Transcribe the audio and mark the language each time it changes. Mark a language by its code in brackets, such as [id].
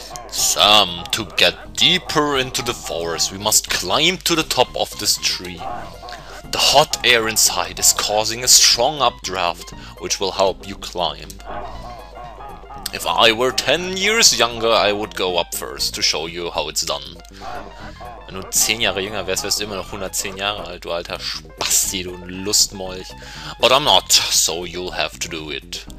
[en] Some to get deeper into the forest, we must climb to the top of this tree. The hot air inside is causing a strong updraft, which will help you climb. If I were 10 years younger, I would go up first to show you how it's done. [de] Wenn du 10 Jahre jünger wärst, wärst du immer noch 110 Jahre alt, du alter Spasti, du Lustmolch. [en] But I'm not, so you'll have to do it.